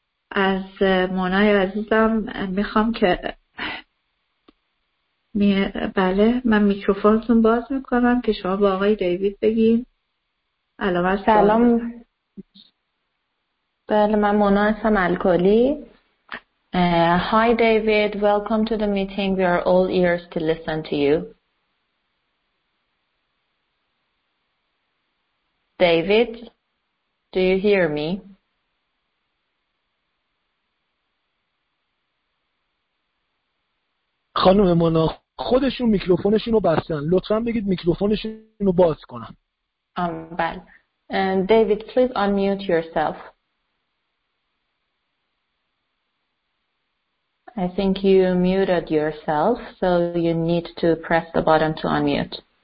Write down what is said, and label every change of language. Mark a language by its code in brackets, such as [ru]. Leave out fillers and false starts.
[fa] از مونای عزیزم میخوام که بله من میکروفونتون باز میکنم که شما با آقای دیوید بگین. سلام، بله من مونا هستم الکلی. [en] Hi David, welcome to the meeting. We are all ears to listen to you. David, do you hear me? [fa] خانم مونا خودشون میکروفونشون رو بستن، لطفا بگید میکروفونشون رو باز کنن. بله. [en] David, please unmute yourself. I think you muted yourself, so you need to press the button to unmute.